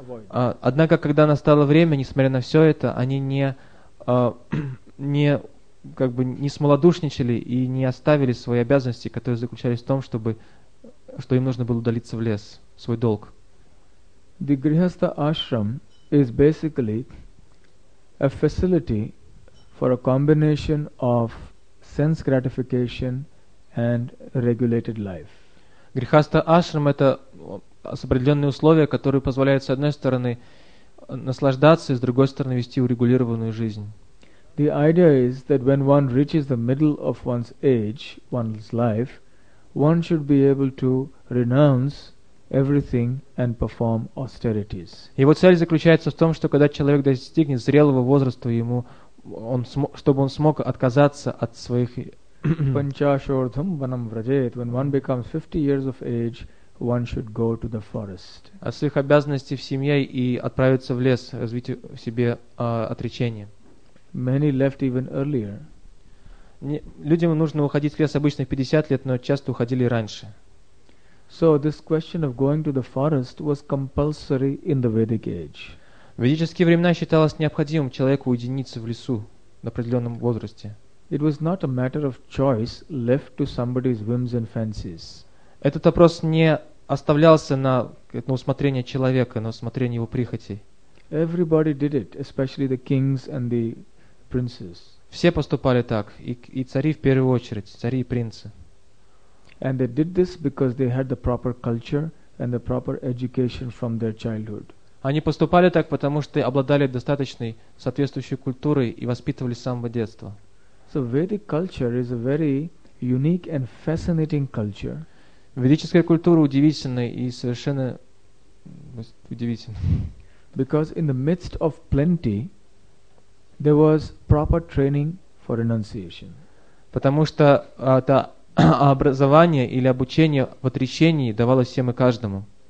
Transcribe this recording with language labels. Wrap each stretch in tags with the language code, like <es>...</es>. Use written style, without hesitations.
<ru>Однако, когда настало время, несмотря на все это, они не смолодушничали и не оставили свои обязанности, которые заключались в том, что им нужно было удалиться в лес, свой долг.</ru> <en>The grihastha ashram is basically a facility for a combination of sense gratification and regulated life.</en> <ru>Грихастха ашрам — это с определенные условия, которые позволяют с одной стороны наслаждаться и с другой стороны вести урегулированную жизнь.</ru> <en>The idea is that when one reaches the middle of one's age, one's life, one should be able to renounce everything and perform austerities.</en> <ru>Его цель заключается в том, что когда человек достигнет зрелого возраста, чтобы он смог отказаться от своих</ru> <sa>панчашордхам ванам вражет.</sa> <en>When one becomes 50 years of age, one should go to the forest.</en> <ru>А своих обязанностей в семье и отправиться в лес, развить в себе отречение.</ru> <en>Many left even earlier.</en> <ru>Людям нужно уходить в лес обычно в 50 лет, но часто уходили раньше.</ru> <en>So this question of going to the forest was compulsory in the Vedic age.</en> <ru>В ведические времена считалось необходимым человеку уединиться в лесу на определенном возрасте.</ru> <en>It was not a matter of choice left to somebody's whims and fancies.</en> <ru>Этот вопрос не оставлялся на усмотрение человека, на усмотрение его прихотей.</ru> <en>Everybody did it, especially the kings and the princes.</en> <ru>Все поступали так, и цари в первую очередь, цари и принцы.</ru> <en>And they did this because they had the proper culture and the proper education from their childhood.</en> <ru>Они поступали так, потому что обладали достаточной соответствующей культурой и воспитывались с самого детства.</ru> <en>So Vedic culture is a very unique and fascinating culture.</en> <ru>Ведическая культура удивительная и совершенно удивительная.</ru> <en>Because in the midst of plenty, there was proper training for renunciation.</en> <ru>Потому что это образование или обучение в отречении давалось всем и каждому.</ru>